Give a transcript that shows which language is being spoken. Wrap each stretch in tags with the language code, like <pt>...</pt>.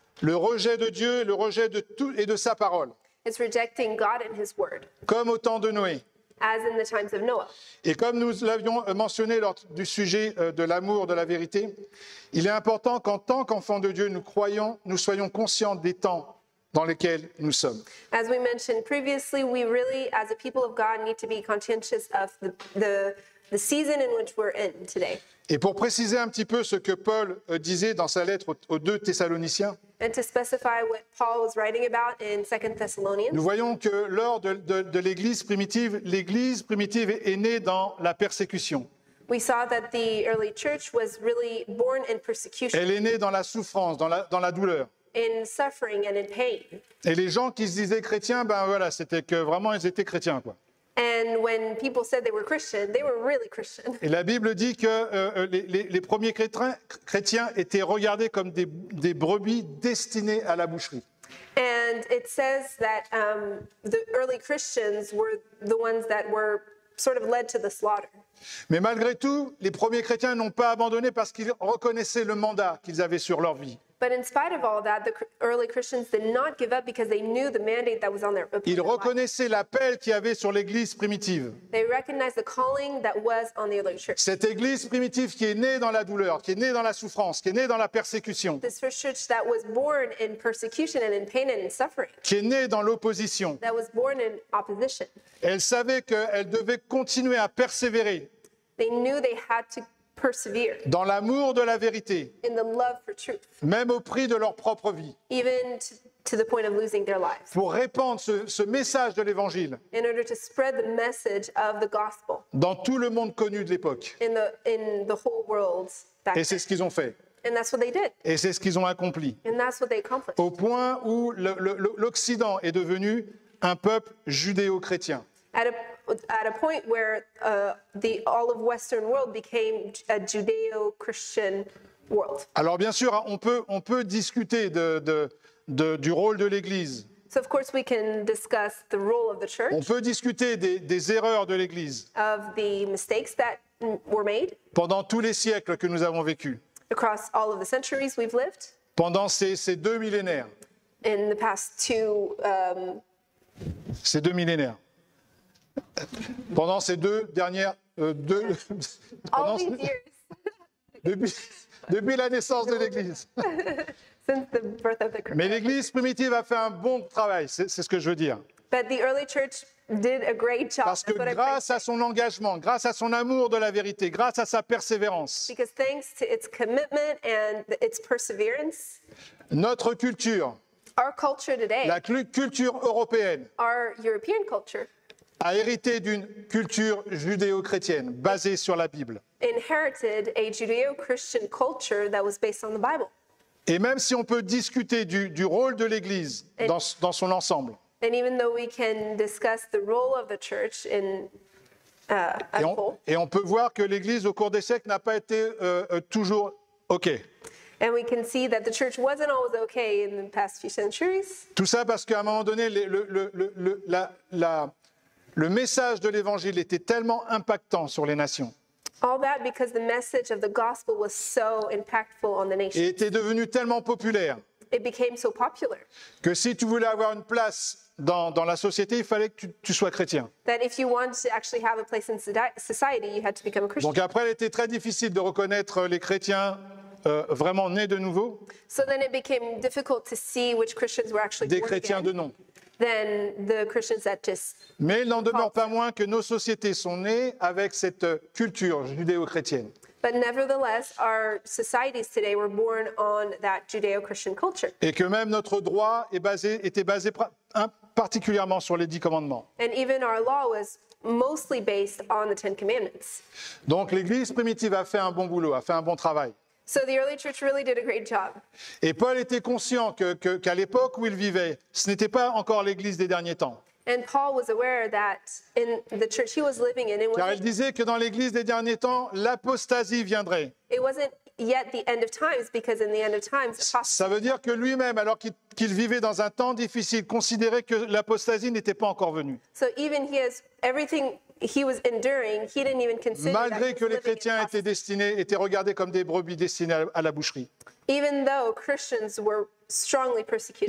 <fr>Le rejet de Dieu et le rejet de tout et de sa parole.</fr> <en>It's rejecting God and his word.</en> <fr>Comme au temps de Noé.</fr> <en>As in the times of Noah.</en> <fr>Et comme nous l'avions mentionné lors du sujet de l'amour de la vérité, il est important qu'en tant qu'enfants de Dieu, nous soyons conscients des temps dans lesquels nous sommes.</fr> <en>As we mentioned previously, we really, as a people of God, need to be conscientious of the season in which we're in today.</en> <fr>Et pour préciser un petit peu ce que Paul disait dans sa lettre aux deux Thessaloniciens,</fr> <en>and to specify what Paul was writing about in 2 Thessalonians,</en> <fr>nous voyons que lors de l'Église primitive est née dans la persécution.</fr> <en>We saw that the early church was really born in persecution.</en> <fr>Elle est née dans la souffrance, dans la douleur.</fr> <en>In suffering and in pain.</en> <fr>Et les gens qui se disaient chrétiens, ben voilà, c'était que vraiment ils étaient chrétiens, quoi.</fr> <en>And when people said they were Christian, they were really Christian.</en> <fr>Et la Bible dit que les premiers chrétiens étaient regardés comme des brebis destinées à la boucherie.</fr> <en>And it says that the early Christians were the ones that were sort of led to the slaughter.</en> <fr>Mais malgré tout, les premiers chrétiens n'ont pas abandonné parce qu'ils reconnaissaient le mandat qu'ils avaient sur leur vie.</fr> <en>But in spite of all that, the early Christians did not give up because they knew the mandate that was on their life.</en> <fr>Ils reconnaissaient l'appel qu'il y avait sur l'Église primitive.</fr> <en>They recognized the calling that was on the early church.</en> <fr>Cette Église primitive qui est née dans la douleur, qui est née dans la souffrance, qui est née dans la persécution.</fr> <en>This first church that was born in persecution and in pain and in suffering.</en> <fr>Qui est née dans l'opposition.</fr> <en>That was born in opposition.</en> <fr>Elle savait qu'elle devait continuer à persévérer.</fr> <en>They knew they had to persevere.</en> <fr>Dans l'amour de la vérité.</fr> <en>In the love for truth.</en> <fr>Même au prix de leur propre vie.</fr> <en>Even to the point of losing their lives.</en> <fr>Pour répandre ce message de l'évangile.</fr> <en>In order to spread the message of the gospel.</en> <fr>Dans tout le monde connu de l'époque.</fr> <en>In the whole world back.</en> <fr>Et c'est ce qu'ils ont fait.</fr> <en>And that's what they did.</en> <fr>Et c'est ce qu'ils ont accompli.</fr> <en>And that's what they accomplished.</en> <fr>Au point où l'Occident est devenu un peuple judéo-chrétien.</fr> <en>At a point where all of Western world became a Judeo-Christian world.</en> <fr>Alors bien sûr, on peut discuter du rôle de l'Église.</fr> <en>So of course we can discuss the role of the church.</en> <fr>On peut discuter des erreurs de l'Église.</fr> <en>Of the mistakes that were made.</en> <fr>Pendant tous les siècles que nous avons vécu.</fr> <en>Across all of the centuries we've lived.</en> <fr>Pendant ces deux millénaires.</fr> <en>In the past two.</en> <fr>Ces deux millénaires. Pendant ces deux dernières depuis la naissance de l'Église.</fr> <en>Since the birth of the</en> <fr>Mais l'Église primitive a fait un bon travail, c'est ce que je veux dire.</fr> <en>But the early church did a great job.</en> <fr>Parce que grâce à son engagement, grâce à son amour de la vérité, grâce à sa persévérance.</fr> <en>Because thanks to its commitment and its perseverance.</en> <fr>Notre culture.</fr> <en>Our culture today.</en> <fr>La culture européenne.</fr> <en>Our European culture.</en> <fr>A hérité d'une culture judéo-chrétienne basée sur la Bible.</fr> <en>Inherited a Judeo-Christian culture that was based on the Bible.</en> <fr>Et même si on peut discuter du rôle de l'Église dans son ensemble.</fr> <en>And even though we can discuss the role of the church in as a whole.</en> <fr>Et on peut voir que l'Église au cours des siècles n'a pas été toujours OK.</fr> <en>And we can see that the church wasn't always okay in the past few centuries.</en> <fr>Tout ça parce qu'à un moment donné le message de l'Évangile était tellement impactant sur les nations.</fr> <en>All that because the message of the gospel was so impactful on the nation.</en> <fr>Et était devenu tellement populaire.</fr> <en>It became so popular.</en> <fr>Que si tu voulais avoir une place dans la société, il fallait que tu sois chrétien.</fr> <en>That if you wanted to actually have a place in society, you had to become a Christian.</en> <fr>Donc après, il était très difficile de reconnaître les chrétiens vraiment nés de nouveau.</fr> <en>So then it became difficult to see which Christians were actually</en> <fr>des chrétiens</fr> <en>born again.</en> <fr>De nom.</fr> <en>Than the Christians that just</en> <fr>Mais il n'en demeure pas moins que nos sociétés sont nées avec cette culture judéo-chrétienne.</fr> <en>But nevertheless, our societies today were born on that Judeo-Christian culture.</en> <fr>Et que même notre droit était basé particulièrement sur les 10 commandements.</fr> <en>And even our law was mostly based on the 10 commandments.</en> <fr>Donc l'Église primitive a fait un bon boulot, a fait un bon travail.</fr> <en>So the early church really did a great job.</en> <fr>Et Paul était conscient qu'à l'époque où il vivait, ce n'était pas encore l'Église des derniers temps.</fr> <en>And Paul was aware that in the church he was living in, it was.</en> <fr>Car il disait que dans l'Église des derniers temps, l'apostasie viendrait.</fr> <en>It wasn't yet the end of times because in the end of times.</en> <fr>Ça veut dire que lui-même, alors qu'il vivait dans un temps difficile, considérait que l'apostasie n'était pas encore venue.</fr> <en>So even he has everything. He was enduring, he didn't even consider</en> <fr>Malgré</fr> <en>that</en> <fr>que les chrétiens étaient regardés comme des brebis destinées à la boucherie.</fr> <en>Even though Christians were strongly persecuted.</en>